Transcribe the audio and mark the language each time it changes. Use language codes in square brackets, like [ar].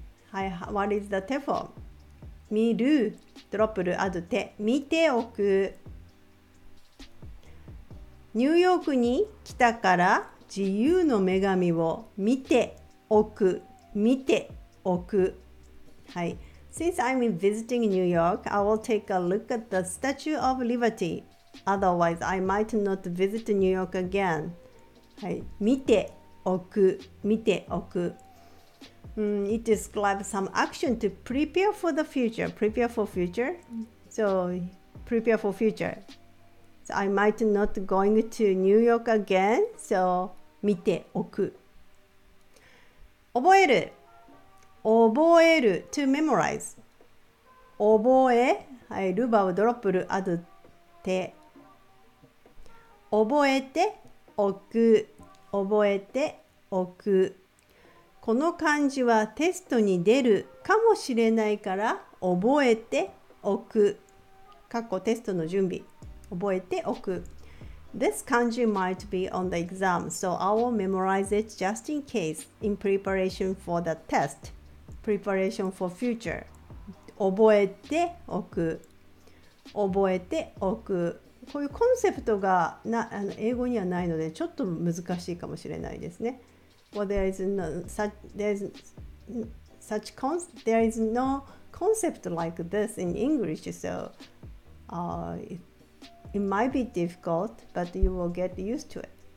[en] はい、what is the te form? [ja] 見る、 [en] ドロップル、アドテ、 [ja] 見ておく。ニューヨークに来たから自由の女神を見ておく、見ておく。はい。 [en] Since I'm visiting New York, I will take a look at the Statue of Liberty. Otherwise, I might not visit New York again. [ja] はい。見ておく、見ておく。 [en] It describes some action to prepare for the future. Prepare for future. So, prepare for future. So, I might not going to New York again. [ja] So, 見ておく。覚える。覚える。 [en] To memorize. [ja] 覚え。はい。ルバを [en] ドロップルアドテ。 [ja] 覚えておく。覚えておく。この漢字はテストに出るかもしれないから覚えておく。括弧テストの準備。覚えておく。 [en] This 漢字 might be on the exam, so I will memorize it just in case in preparation for the test. Preparation for future. [ja] 覚えておく。覚えておく。こういうコンセプトがな英語にはないのでちょっと難しいかもしれないですね。 [en] Well, there is no concept like this in English, so it might be difficult, but you will get used to it.